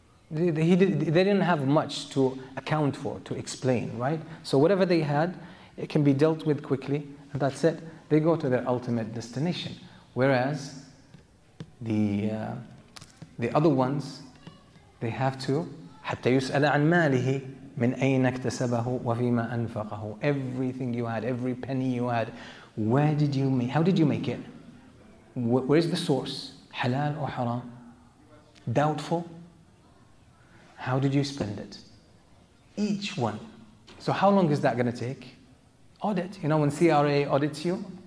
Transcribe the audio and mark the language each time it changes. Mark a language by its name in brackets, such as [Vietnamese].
[English] They didn't have much to account for, to explain, right? So whatever they had, it can be dealt with quickly, and that's it. They go to their ultimate destination. Whereas the other ones, they have to [Arabic] حَتَّى يُسْأَلَ عَنْ مَالِهِ مِنْ أَيْنَ اكْتَسَبَهُ وَفِيمَا أَنْفَقَهُ. [English] Everything you had, every penny you had, where did you make, how did you make it? Where is the source? Halal or haram? Doubtful? How did you spend it? Each one. So how long is that going to take? Audit. You know when CRA audits you?